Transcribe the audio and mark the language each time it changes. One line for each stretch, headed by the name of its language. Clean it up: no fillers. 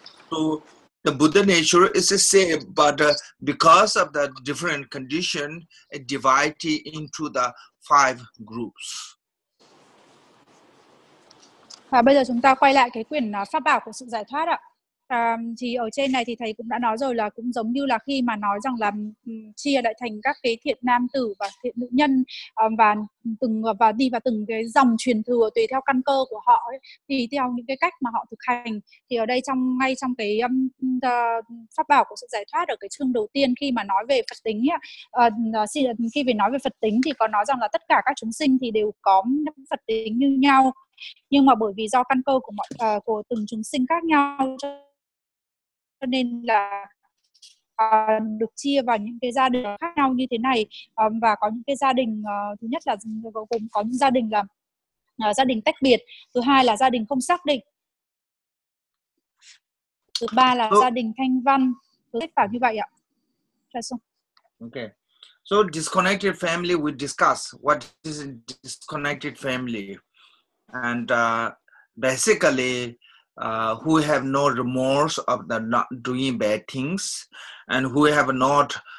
English: So the Buddha nature is the same, but because of the different condition, it divides into the five groups.
Vietnamese: Và bây giờ chúng ta quay lại cái quyển pháp bảo của sự giải thoát ạ. Thì ở trên này thì thầy cũng đã nói rồi là cũng giống như là khi mà nói rằng là chia lại thành các cái thiện nam tử và thiện nữ nhân, và từng và đi vào từng cái dòng truyền thừa tùy theo căn cơ của họ ấy, thì theo những cái cách mà họ thực hành. Thì ở đây trong ngay trong cái pháp bảo của sự giải thoát ở cái chương đầu tiên khi mà nói về Phật tính ấy, khi về nói về Phật tính thì có nói rằng là tất cả các chúng sinh thì đều có Phật tính như nhau, nhưng mà bởi vì do căn cơ của mọi của từng chúng sinh khác nhau cho nên là được chia vào những cái gia đình khác nhau như thế này, và có những cái gia đình thứ nhất là cũng có những gia đình là gia đình tách biệt, thứ hai là gia đình không xác định, thứ ba là gia đình thanh văn, thứ tất cả như vậy ạ. Ok.
English: So disconnected family, we discuss what is disconnected family, and basically who have no remorse of the not doing bad things, and who have not